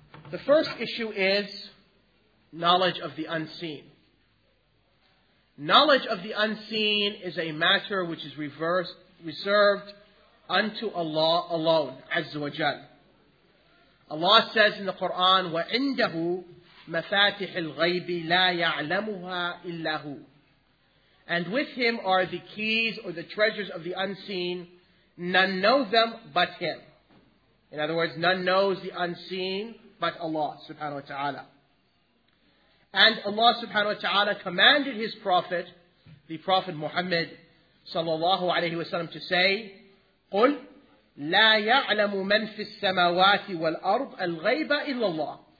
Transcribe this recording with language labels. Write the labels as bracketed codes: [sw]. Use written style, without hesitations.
[en] The first issue is knowledge of the unseen. Knowledge of the unseen is a matter which is reserved unto Allah alone, Azza wa Jal. Allah says in the Quran, [ar] وَعِنْدَهُ مَفَاتِحِ الْغَيْبِ لَا يَعْلَمُهَا إِلَّهُ. [en] And with him are the keys or the treasures of the unseen, none know them but him. In other words, none knows the unseen but Allah subhanahu wa ta'ala. And Allah subhanahu wa ta'ala commanded his prophet, the Prophet Muhammad sallallahu alayhi wa sallam, to say, [ar] قُلْ لَا يَعْلَمُ مَنْ فِي السَّمَوَاتِ وَالْأَرْضِ الْغَيْبَ إِلَّا اللَّهِ.